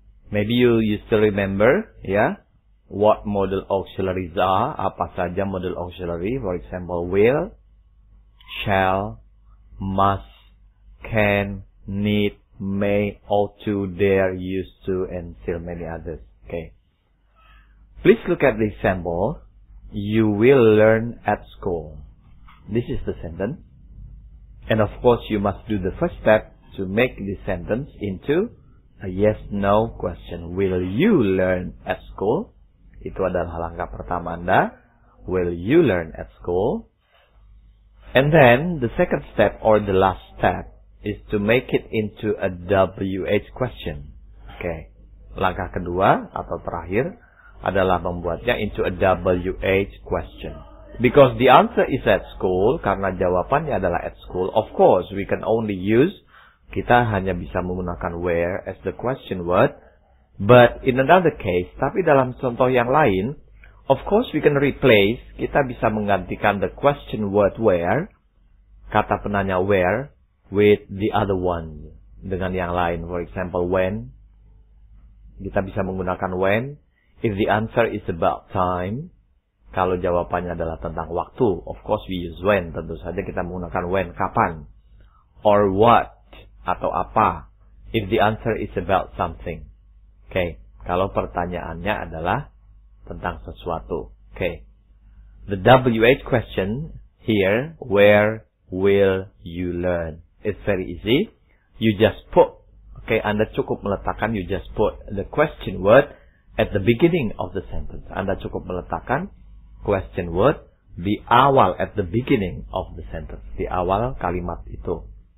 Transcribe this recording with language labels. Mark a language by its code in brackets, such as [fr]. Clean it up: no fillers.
[en] Maybe you still remember, ya? Yeah? What modal auxiliaries are, [id] apa saja [en] modal auxiliary, for example, will, shall, must, can, need, may, ought to, dare, used to, and still many others, okay. Please look at the example, you will learn at school. This is the sentence. And of course, you must do the first step to make this sentence into a yes-no question. Will you learn at school? [id] Itu adalah langkah pertama Anda. [en] Will you learn at school? And then, the second step or the last step is to make it into a WH question. Okay. [id] Langkah kedua atau terakhir adalah membuatnya into a WH question. [en] Because the answer is at school, [id] karena jawabannya adalah [en] at school, of course, we can only use, [id] kita hanya bisa menggunakan [en] where as the question word. But in another case, [id] tapi dalam contoh yang lain, [en] of course we can replace, [id] kita bisa menggantikan [en] the question word where, [id] kata penanya [en] where, with the other one, [id] dengan yang lain. [en] For example, when, [id] kita bisa menggunakan [en] when, if the answer is about time, [id] kalau jawabannya adalah tentang waktu, [en] of course we use when, [id] tentu saja kita menggunakan [en] when, [id] kapan, [en] or what, [id] atau apa, [en] if the answer is about something. [id] Okay, kalau pertanyaannya adalah tentang sesuatu. [en] Okay, the WH question here, where will you learn? It's very easy. You just put, okay, [id] Anda cukup meletakkan, [en] you just put the question word at the beginning of the sentence. [id] Anda cukup meletakkan question word di awal, [en] at the beginning of the sentence, [id] di awal kalimat itu.